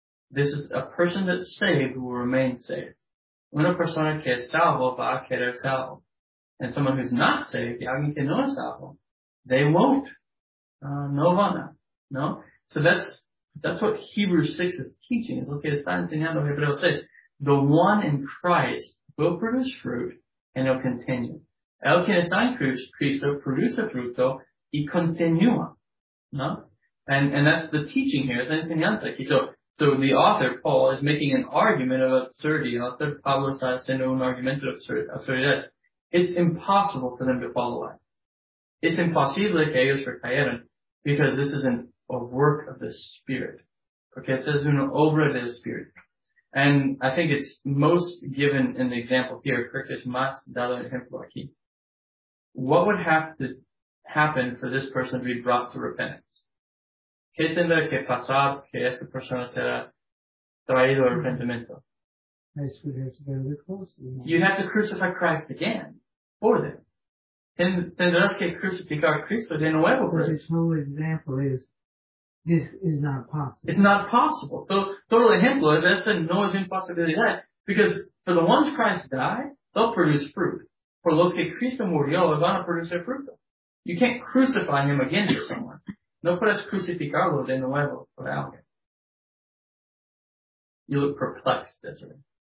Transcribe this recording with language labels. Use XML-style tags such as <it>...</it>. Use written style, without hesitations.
<en>This is a person that's saved who will remain saved.</en> <es>Una persona que es salvo va a quedar salvo.</es> <en>And someone who's not saved,</en> <es>y alguien que no es salvo,</es> <en>they won't.</en> <es>No van a. No?</es> <en>So that's what Hebrews 6 is teaching. Es lo que está enseñando Hebreos 6. The one in Christ will produce fruit and it'll continue.</en> <es>El que está en Cristo produce fruto y continúa, ¿no?</es> <en>And that's the teaching here,</en> <es>es la enseñanza aquí. So,</es> <en>So the author, Paul, is making an argument of absurdity.</en> <es>Author Pablo está haciendo un argumento de absurdidad.</es> <en>It's impossible for them to fall away. It's impossible</en> <es>que ellos recayeran</es> <en>because this isn't a work of the Spirit.</en> <es>Porque esta es una obra del Espíritu.</es> <en>And I think it's most given in the example here.</en> <es>Porque es más dado el ejemplo aquí.</es> <en>What would have to happen for this person to be brought to repentance?</en> <es>¿Qué tendrá que pasar que esta persona será traído a arrepentimiento?</es> <en>Christ would have to go to the cross. You have to crucify Christ again for them.</en> <es>Tendrás que crucificar Cristo de nuevo</es> <en>for them. So this whole example is, this is not possible. It's not possible.</en> <es>So, todo el ejemplo es, esta no es imposibilidad.</es> <en>Because for the ones Christ died, they'll produce fruit. For</en> <es>los que Cristo murió,</es> <en>they're going to produce their fruit. You can't crucify him again for someone.</en> <es>No puedes crucificarlo de nuevo por alguien.</es> <en>You look perplexed, Desiree.</en>